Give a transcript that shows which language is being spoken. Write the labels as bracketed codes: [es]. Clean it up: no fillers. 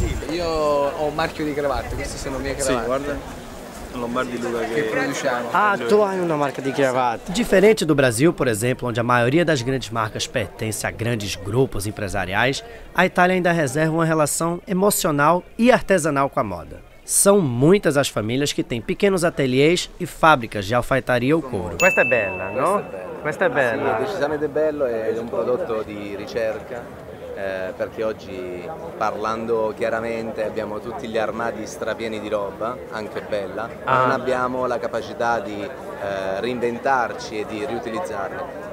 [it] Io ho un marchio di cravatte, queste sono le mie cravatte. Sì, guarda. Lombardi Luca che produciamo. Ah, tu hai una marca di cravatta. [pt] Differente do Brasil, por exemplo, onde a maioria das grandes marcas pertence a grandes grupos empresariais, a Itália ainda reserva uma relação emocional e artesanal com a moda. São muitas as famílias que têm pequenos ateliês e fábricas de alfaiataria ou couro. [it] Questa è bella, no? Questa è bella. Sì, decisamente bello, è un prodotto di ricerca. Perché oggi, parlando chiaramente, abbiamo tutti gli armadi strapieni di roba, anche bella, ma non abbiamo la capacità di reinventarci e di riutilizzarle.